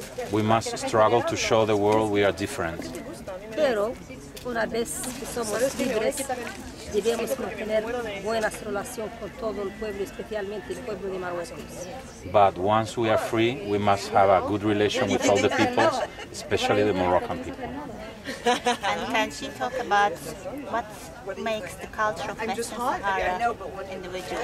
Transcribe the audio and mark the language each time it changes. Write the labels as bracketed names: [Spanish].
[English] We must struggle to show the world we are different. [Spanish] Pero una vez que somos libres, debemos mantener buena relación con todo el pueblo, especialmente el pueblo de Marruecos. [English] But once we are free, we must have a good relation with all the peoples, especially the Moroccan people. And can she talk about what makes the culture of Mestre-Sahara individual?